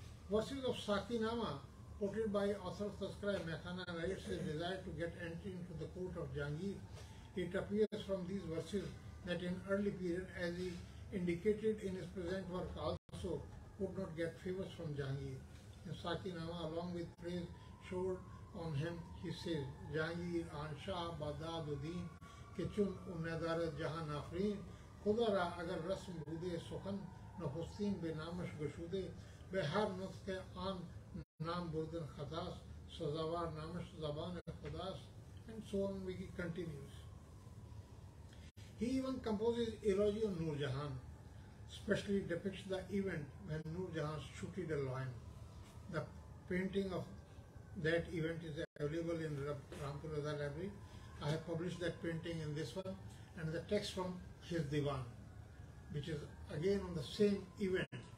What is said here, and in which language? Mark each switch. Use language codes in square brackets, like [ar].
[en] Verses of Saki Nama, quoted by author Tazkara Mehana, narrates his desire to get entry into the court of Jahangir. It appears from these verses that in early period, as he indicated in his present work also, could not get favors from Jahangir. In Saki Nama, along with praise showed on him, he says, [fa] Jahangir, Ansha, Bada, Dudin, کچون اوندارد جهان آفرین خدا را اگر رسم بوده سخن نخستین به نامش گشوده به هر نطق آن نام بردن خداست سزاوار نامش زبان خداست [en] and so on we continues. He even composes elogy on Nur Jahan, specially depicts the event when Nur Jahan shooted a lion. The painting of that event is available in Rampur Raza Library. I have published that painting in this one and the text from his Diwan, which is again on the same event.